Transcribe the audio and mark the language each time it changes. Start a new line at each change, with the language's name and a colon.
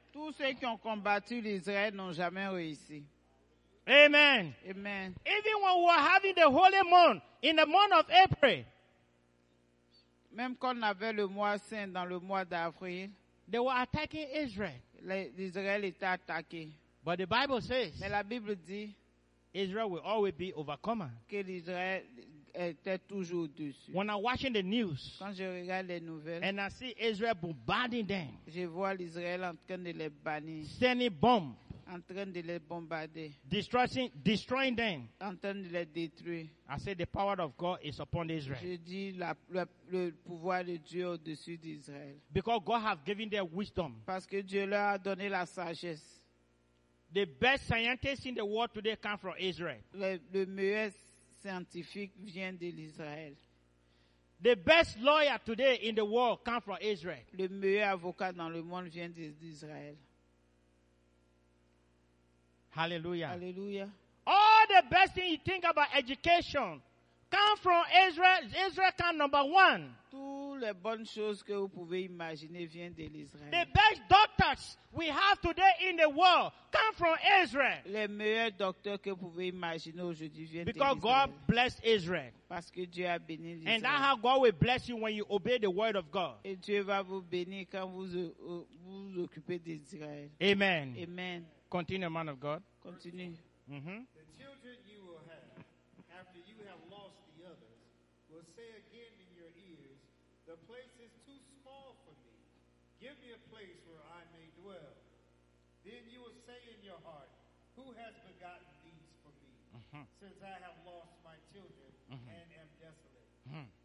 French: Tous ceux qui ont combattu l'Israël n'ont jamais réussi.
English: Amen. Amen. Even when we were having the holy month in the month of April,
French: même quand on avait le mois saint dans le mois d'avril,
English: they were attacking Israel.
French: L'Israël était attaqué.
English: But the Bible says,
French: mais la Bible dit,
English: Israel will always be overcome.
French: Que l'Israël était toujours dessus.
English: When I'm watching the news,
French: quand je regarde les nouvelles,
English: and I see Israel bombarding them,
French: je vois l'Israël en train de les bannir,
English: sending bombs,
French: en train de les bombarder,
English: destroying them,
French: en train de les détruire.
English: I say the power of God is upon Israel.
French: Je dis le pouvoir de Dieu au-dessus d'Israël.
English: Because God has given them wisdom.
French: Parce que Dieu leur a donné la sagesse.
English: The best scientists in the world today come from Israel.
French: Le meilleur scientifique vient de l'Israël.
English: The best lawyer today in the world come from Israel.
French: Le meilleur avocat dans le monde vient d'Israël.
English: Hallelujah. Hallelujah. All the best thing you think about education come from Israel. Israel come number one.
French: Toutes les bonnes choses que vous pouvez imaginer viennent de l'Israël.
English: The best doctors we have today in the world come from Israel.
French: Les meilleurs docteurs que vous pouvez imaginer aujourd'hui viennent d'Israël.
English: Because God blessed Israel.
French: Parce que Dieu a béni l'Israël.
English: And that's how God will bless you when you obey the word of God.
French: Et Dieu va vous bénir quand vous occupez d'Israël.
English: Amen. Amen. Continue, man of God. Continue. Mm-hmm. The children you will have after you have lost the others will say again in your ears, the place is too small for me. Give me a place where I may dwell. Then you will say in your heart, who has begotten these for me, since I have lost my children and am desolate?